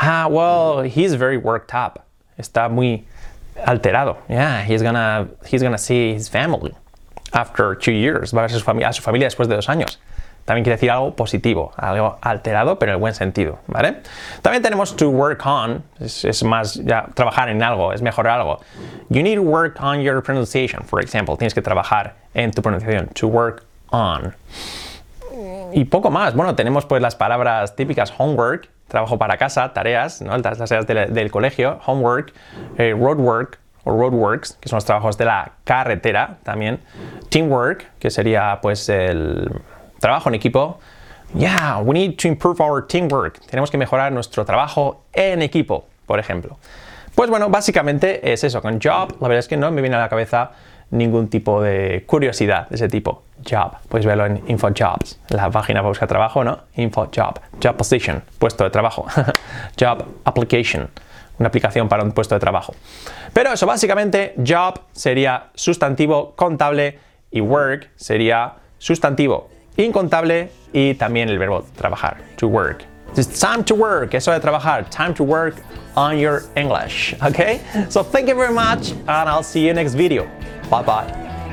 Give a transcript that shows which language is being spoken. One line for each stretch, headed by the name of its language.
English: Well, he's very worked up.
Spanish: Está muy alterado.
English: Yeah, he's gonna see his family after 2 years.
Spanish: Va a ver a su familia después de 2 años. También quiere decir algo positivo, algo alterado, pero en el buen sentido, ¿vale? También tenemos
English: to work on.
Spanish: Es más ya trabajar en algo, es mejorar algo.
English: You need to work on your pronunciation, for example.
Spanish: Tienes que trabajar en tu pronunciación. To work on. Y poco más. Bueno, tenemos pues las palabras típicas homework. Trabajo para casa, tareas, ¿no? Las tareas del colegio, homework, roadwork o roadworks, que son los trabajos de la carretera también. Teamwork, que sería pues el trabajo en equipo.
English: Yeah, we need to improve our teamwork.
Spanish: Tenemos que mejorar nuestro trabajo en equipo, por ejemplo. Pues bueno, básicamente es eso. Con job, la verdad es que no me viene a la cabeza ningún tipo de curiosidad de ese tipo. Job. Puedes verlo en InfoJobs, la página para buscar trabajo, ¿no? InfoJob. Job position. Puesto de trabajo. Job application. Una aplicación para un puesto de trabajo. Pero eso, básicamente, job sería sustantivo contable y work sería sustantivo incontable y también el verbo trabajar, to work.
English: It's time to work,
Spanish: es hora de trabajar,
English: time to work on your English, okay? So thank you very much and I'll see you next video. Bye bye.